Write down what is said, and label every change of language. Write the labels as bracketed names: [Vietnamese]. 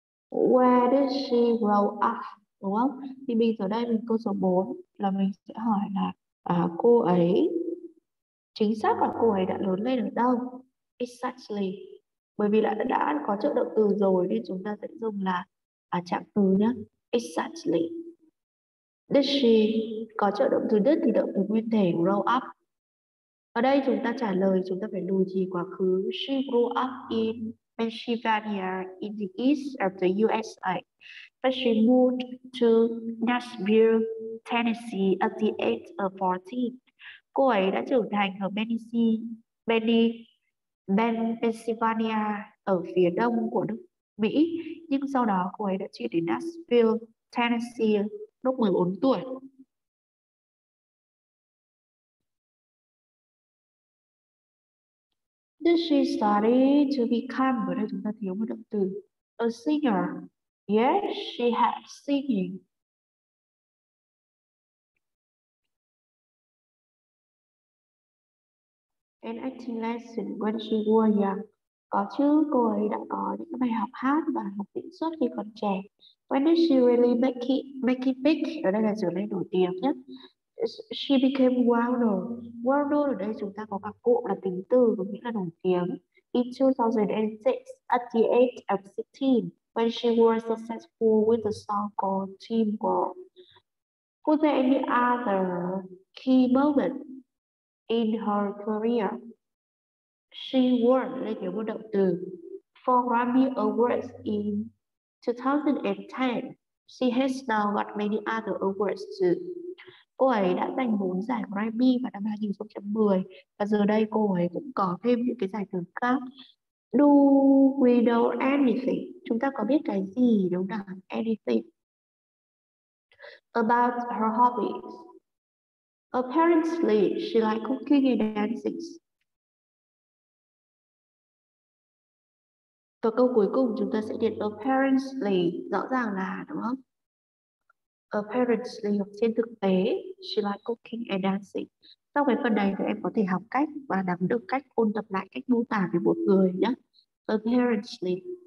[English] Where did she grow up? [Vietnamese] Đúng không? Thì mình ở đây mình câu số 4 là mình sẽ hỏi là cô ấy chính xác là cô ấy đã lớn lên ở đâu? Exactly. Bởi vì đã có trợ động từ rồi nên chúng ta sẽ dùng là trạng từ nhé. Exactly. Did she có trợ động từ did thì động từ nguyên thể grow up. Ở đây chúng ta trả lời chúng ta phải lùi gì quá khứ. [English] She grew up in Pennsylvania in the east of the USA. But she moved to Nashville, Tennessee at the age of 14. [Vietnamese] Cô ấy đã trưởng thành ở Pennsylvania ở phía đông của nước Mỹ. Nhưng sau đó cô ấy đã chuyển đến Nashville, Tennessee lúc 14 tuổi. [English] Did she study to become, [Vietnamese] ở đây chúng ta thiếu một động từ, [English] a singer? Yes, she had singing. An acting lesson when she was young. [Vietnamese] Có chứ, cô ấy đã có những bài học hát và học diễn xuất khi còn trẻ. [English] When did she really make it big? [Vietnamese] Ở đây là trở nên nổi tiếng nhất. [English] She became well known. Well known [Vietnamese] ở đây chúng ta có các cụm là tính từ có nghĩa là nổi tiếng. [English] In 2006, at the age of 16, when she was successful with a song called Team Girl. Was there any other key moment in her career? She won, [Vietnamese] đây là một động từ, [English] four Grammy Awards in 2010. She has now got many other awards too. [Vietnamese] Cô ấy đã giành 4 giải Grammy vào năm 2010 và giờ đây cô ấy cũng có thêm những cái giải thưởng khác. [English] Do we know anything? [Vietnamese] Chúng ta có biết cái gì đúng không? [English] Anything about her hobbies? Apparently, she likes cooking and dancing. [Vietnamese] Và câu cuối cùng chúng ta sẽ điền apparently, rõ ràng là đúng không? [English] Apparently, [Vietnamese] trên thực tế, [English] she likes cooking and dancing. [Vietnamese] Sau cái phần này thì em có thể học cách và nắm được cách ôn tập lại cách mô tả về một người nhé. Apparently.